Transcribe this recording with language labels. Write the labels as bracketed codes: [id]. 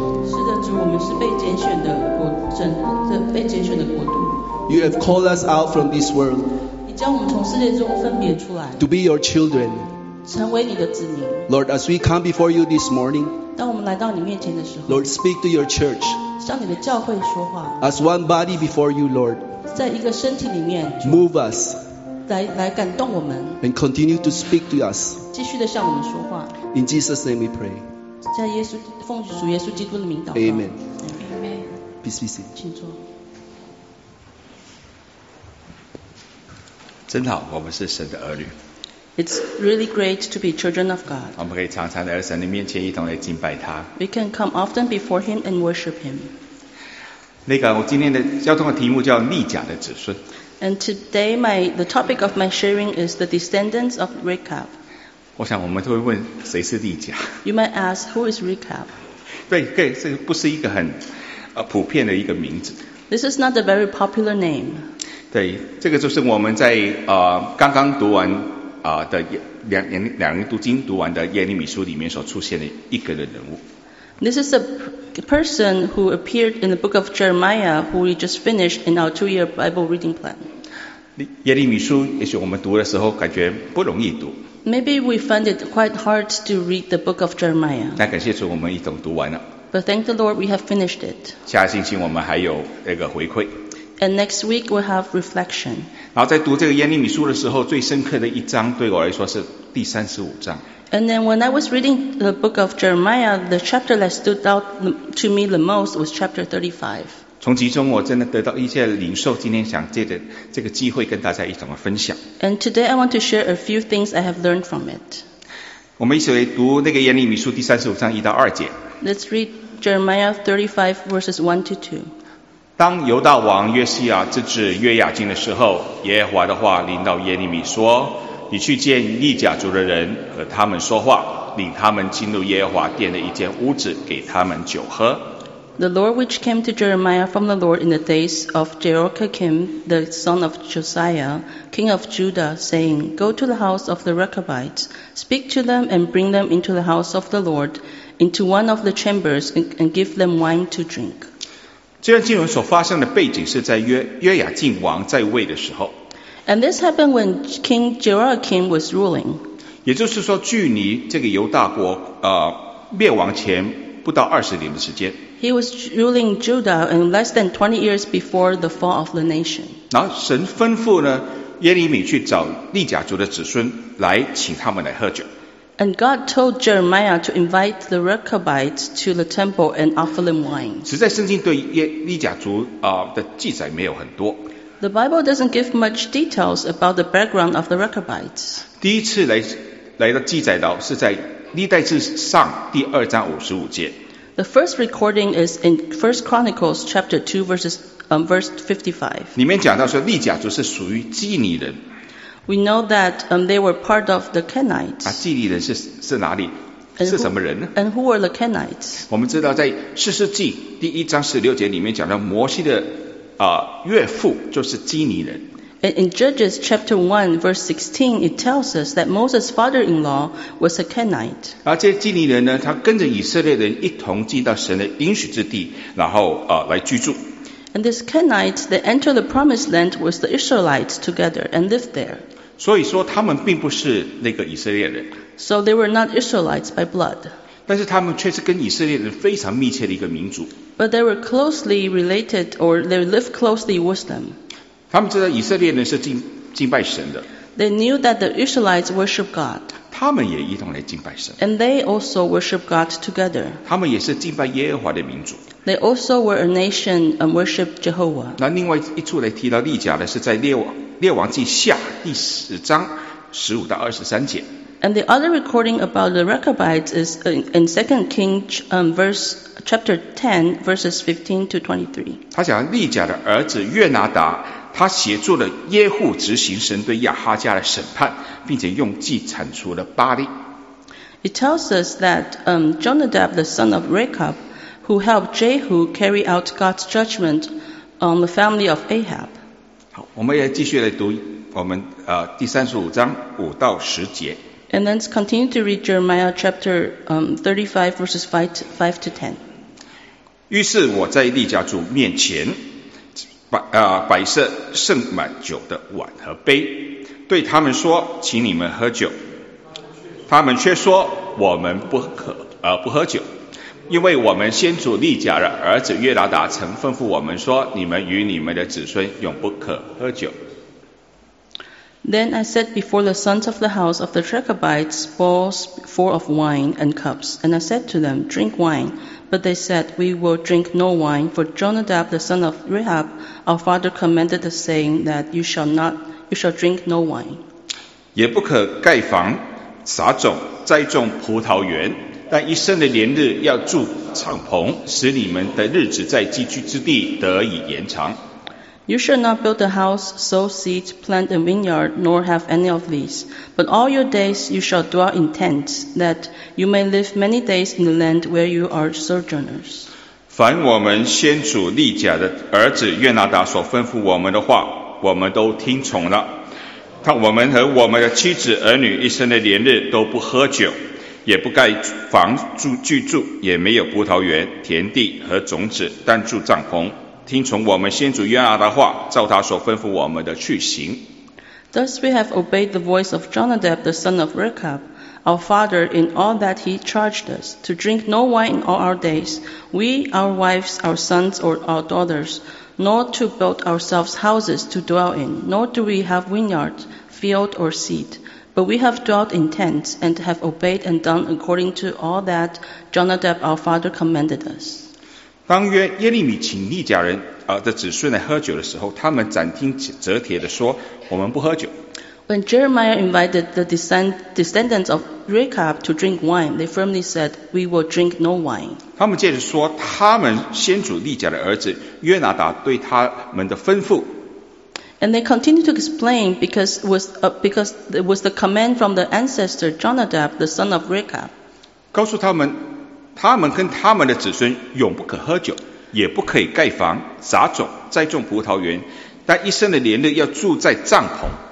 [zh] 是的，主，我们是被拣选的国，被拣选的国度。 [en] You have called us out from this world. [zh] 你将我们从世界中分别出来。 [en] To be your children. [zh] 成为你的子民。 [en] Lord, as we come before you this morning. [zh] 当我们来到你面前的时候。 [en] Lord, speak to your church. [zh] 向你的教会说话。 [en] As one body before you, Lord. [zh] 在一个身体里面。 [en] Move us. [zh] 来感动我们 [en] and continue to speak to us. [zh] 继续地向我们说话 [en] In Jesus' name we pray. [zh] 在耶稣奉主耶稣基督的名祷告 [en] Amen. Amen. Please be seated. [zh] 请坐。真好，我们是神的儿女。 [en] It's really great to be children of God. [zh] 我们可以常常在神的面前一同来敬拜他。 [en] We can come often before Him and worship Him. [zh] 那个，我今天的交通的题目叫逆甲的子孙。 [en] And today, the topic of my sharing is the descendants of Rechab. [zh] 我想我们都会问谁是利甲。 [en] You might ask who is Rechab. [zh] 对，这个不是一个很普遍的一个名字。 [en] This is not a very popular name. [zh] 对，这个就是我们在刚刚读完的两个读经读完的耶利米书里面所出现的一个的人物。 [en] This is a person who appeared in the book of Jeremiah, who we just finished in our two-year Bible reading plan. [zh] 耶利米书，也许我们读的时候感觉不容易读。 [en] Maybe we find it quite hard to read the book of Jeremiah. [zh] 但感谢主，我们一同读完了。 [en] But thank the Lord, we have finished it. [zh] 下星期我们还有那个回馈。 [en] And next week we'll have reflection. [zh] 然后在读这个耶利米书的时候，最深刻的一章对我来说是第三十五章。 [en] And then when I was reading the book of Jeremiah, the chapter that stood out to me the most was chapter 35. [zh] 从其中我真的得到一些领受，今天想借着这个机会跟大家一同分享。 [en] And today I want to share a few things I have learned from it. [zh] 我们一起来读那个耶利米书第三十五章一到二节。 [en] Let's read Jeremiah 35 verses 1 to 2. [zh] 当犹大王约西亚自治约雅敬的时候，耶和华的话临到耶利米说。你去见利甲族的人，和他们说话，领他们进入耶和华殿的一间屋子，给他们酒喝。 [en] The Lord which came to Jeremiah from the Lord in the days of Jehoiakim, the son of Josiah, king of Judah, saying, Go to the house of the Rechabites, speak to them, and bring them into the house of the Lord, into one of the chambers, and give them wine to drink. [zh] 这段经文所发生的背景是在约雅敬王在位的时候。 [en] And this happened when King Jehoiakim was ruling. [zh] 也就是说，距离这个犹大国灭亡前不到二十年的时间。 [en] He was ruling Judah in less than 20 years before the fall of the nation. [zh] 然后神吩咐呢耶利米去找利甲族的子孙来请他们来喝酒。 [en] And God told Jeremiah to invite the Rechabites to the temple and offer them wine. [zh] 实在圣经对利甲族的记载没有很多。 [en] The Bible doesn't give much details about the background of the Rechabites. [zh] 第一次来的记载到是在历代志上第二章五十五节。 [en] The first recording is in First Chronicles chapter 2 verse 55. [zh] 里面讲到说利甲族是属于基尼人。 [en] We know that they were part of the Kenites. [zh] 啊，基尼人是哪里？是什么人呢 [en] ？And who were the Kenites? [zh] 我们知道在士师记第一章十六节里面讲到摩西的。岳父就是基尼人。 [en] In Judges chapter 1 verse 16, it tells us that Moses' father-in-law was a Kenite. [zh] 而这基尼人呢，他跟着以色列人一同进到神的应许之地，然后来居住。 [en] And this Kenite, they entered the promised land with the Israelites together and lived there. [zh] 所以说他们并不是那个以色列人。 [en] So they were not Israelites by blood. [zh] 但是他们却是跟以色列人非常密切的一个民族。 [en] But they were closely related, or they lived closely with them. [zh] 他们知道以色列人是敬拜神的。 [en] They knew that the Israelites worship God. [zh] 他们也一同来敬拜神。 [en] And they also worship God together. [zh] 他们也是敬拜耶和华的民族。 [en] They also were a nation and worship Jehovah. [zh] 那另外一处来提到利甲的是在列王记下第十章十五到二十三节。 [en] And the other recording about the Rechabites is in 2 Kings chapter 10, verses 15 to 23. [zh] 他讲利甲的儿子约拿达，他协助了耶户执行神对亚哈家的审判，并且用计铲除了巴利。 [en] It tells us that Jonadab, the son of Rechab, who helped Jehu carry out God's judgment on the family of Ahab. [zh] 好，我们也继续来读我们第三十五章五到十节。 [en] And then continue to read Jeremiah chapter 35 verses 5 to 10. [zh] 于是我在利家主面前摆设盛满酒的碗和杯，对他们说，请你们喝酒。他们却说，我们不喝酒，因为我们先祖利甲的儿子约拿达曾吩咐我们说，你们与你们的子孙永不可喝酒。 [en] Then I set before the sons of the house of the Rechabites bowls full of wine and cups, and I said to them, drink wine. But they said, we will drink no wine, for Jonadab the son of Rehab, our father, commanded us, saying that you shall drink no wine. [zh] 也不可盖房、撒种、栽种葡萄园，但一生的年日要住敞篷，使你们的日子在寄居之地得以延长。 [en] You shall not build a house, sow seeds, plant a vineyard, nor have any of these. But all your days you shall dwell in tents, that you may live many days in the land where you are sojourners. [zh] 凡我们先祖利甲的儿子约拿达所吩咐我们的话，我们都听从了。他我们和我们的妻子儿女一生的年日都不喝酒，也不盖房住居住，也没有葡萄园、田地和种子，但住帐篷。听从我们先祖约拿达的话，照他所吩咐我们的去行。 [en] Thus we have obeyed the voice of Jonadab the son of Rechab, our father, in all that he charged us, to drink no wine in all our days, we, our wives, our sons, or our daughters, nor to build ourselves houses to dwell in, nor do we have vineyards, field, or seed. But we have dwelt in tents, and have obeyed and done according to all that Jonadab our father commanded us. [zh] 当约耶利米请利甲人的子孙来喝酒的时候，他们斩钉截铁地说，我们不喝酒。 [en] When Jeremiah invited the descendants of Rechab to drink wine, they firmly said, we will drink no wine. [zh] 他们接着说，他们先祖利甲的儿子约拿达对他们的吩咐。 [en] And they continued to explain because it was the command from the ancestor Jonadab, the son of Rechab. [zh] 告诉他们，他们跟他们的子孙永不可喝酒，也不可以盖房、撒种、栽种葡萄园，但一生的年日要住在帐篷。